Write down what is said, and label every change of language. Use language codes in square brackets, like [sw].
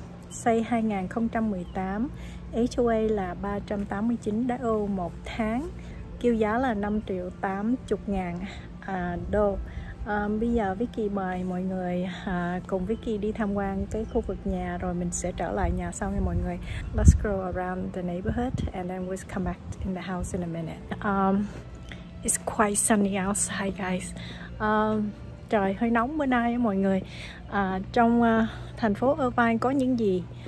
[vi] Xây 2018, HOA là 389 đá ô 1 tháng, kêu giá là 5.080.000 đô. Bây giờ Vicky mời mọi người cùng Vicky đi tham quan cái khu vực nhà rồi mình sẽ trở lại nhà sau nha mọi người. [en] Let's go around the neighborhood and then we'll come back in the house in a minute. It's quite sunny outside guys. [vi] Trời hơi nóng bữa nay mọi người. Trong thành phố Irvine có những gì?